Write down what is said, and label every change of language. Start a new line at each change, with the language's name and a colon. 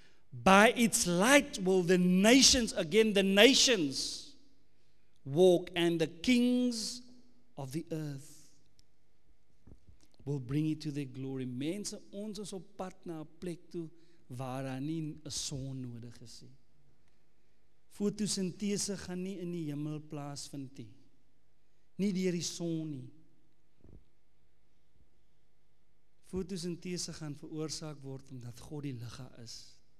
English: By its light will the nations, again the nations, walk, and the kings of the earth will bring it to their glory.
Afrikaans: Mense, ons is op pad na een plek toe waar daar nie een son nodig is. Fotosintese gaan nie in die hemel plaasvind nie. Nie deur die son nie. Fotosintese gaan veroorsaak word omdat God die ligga is.